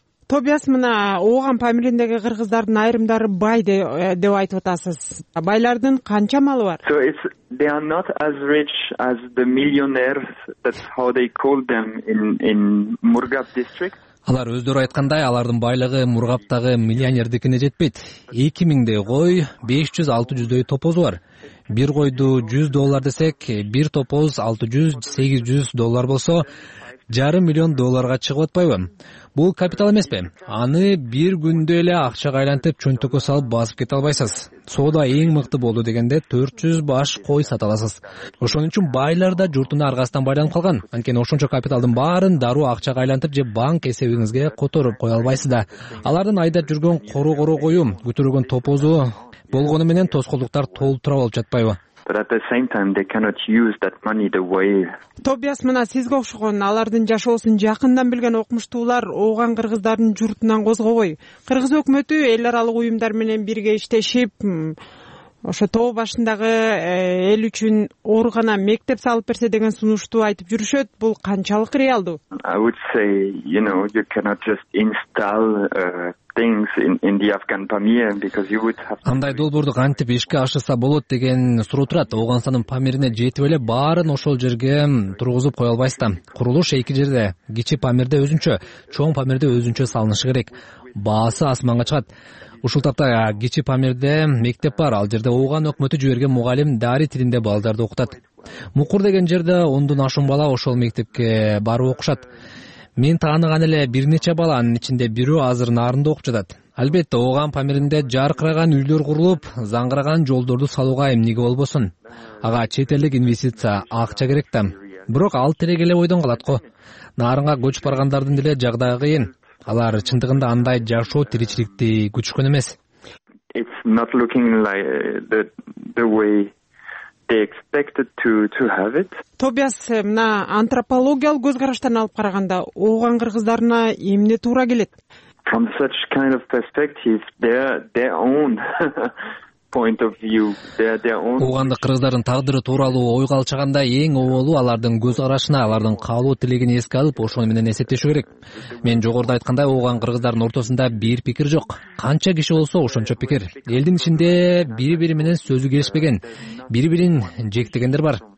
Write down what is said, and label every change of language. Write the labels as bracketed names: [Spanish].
[Kyrgyz] Тобиас, мына ооган памириндеги кыргыздардын айрымдары бай деп айтып атасыз. Байлардын канча малы бар? [English] They are not as rich as the millionaires, that's how they call them in Murghab district. [Kyrgyz] Алар өздөрү айткандай, алардын байлыгы Мургаптагы миллионердикине жетпейт. 2000 кой, 500-600 топозу бар. Бир койду 100 доллар десек, бир топоз 600-800 доллар болсо, жарым миллион долларга чыгып атпайбы? Бул капитал эмеспи? Аны бир күндө эле акчага айлантып, чөнтөккө салып басып кете албайсыз. Соода эң мыкты болду дегенде 400 баш кой сата аласыз. Ошон үчүн байлар да журтуна аргасыздан байланып калган. Анткени ошончо капиталдын баарын дароо акчага айлантып же банк эсебиңизге которуп кое албайсыз да. Алардын айдап жүргөн коро-коро коюм, күтүргөн топозу болгону менен тоскоолуктар толтура болуп жатпайбы? [English] But at the same time, they cannot use that money the way. [Kyrgyz] Tobias, мына сизге окшогон алардын жашоосун жакындан билген окумуштуулар ооган кыргыздардын журтунан козгобой. Кыргыз өкмөтү эл аралык уюмдар менен бирге иштешип, ошо тоо башындагы эл үчүн ооругана мектеп салып берсе деген сунушту айтып жүрүшөт. Бул канчалык реалдуу? [English] I would say, you know, you cannot just install things in the Afghan Pamir because you would have [Kyrgyz] андай долбоорду кантип ишке ашырса болот деген суроо турат. Ооганстандын Памирине жетип эле баарын ошол жерге тургузуп кое албайсыз да. Курулуш эки жерде, кичи Памирде өзүнчө, чоң Памирде өзүнчө салынышы керек. Баасы асманга чыгат. Ушул тапта кичи Памирде мектеп бар, ал жерде ооган өкмөтү жиберген мугалим дары тилинде балдарды окутат. Мукур деген жерде 10дон ашуун бала ошол мектепке барып окушат. Мен тааныган эле бир нече баланын ичинде бирөө азыр Нарында окуп жатат. Албетте, ооган Памиринде жаркыраган үйлөр курулуп, заңгыраган жолдорду салууга эмнеге болбосун. Ага чет элдик инвестиция, акча керек да. Бирок ал тилек эле ойдон калат го. Нарынга көчүп баргандардын деле жагдайы кыйын. Алар чындыгында андай жашоо тиричиликти күтүшкөн эмес. [English] It's not looking like the way they expected to have it. [Kyrgyz] Tobias, мына антропологиялык көз караштан алып караганда ооган кыргыздарына эмне туура келет? [English] From such kind of perspective, their own point of view, their own [Kyrgyz] оогандык кыргыздардын тагдыры тууралуу ойго алчаганда эң оолу алардын көз карашына, алардын каалоо тилегин эске алып, ошону менен эсептешүү керек. Мен жогоруда айткандай, ооган кыргыздардын ортосунда бир пикир жок. Канча киши болсо, ошончо пикир. Элдин ичинде бири-бири менен сөзү келишпеген, бири-бирин жектегендер бар.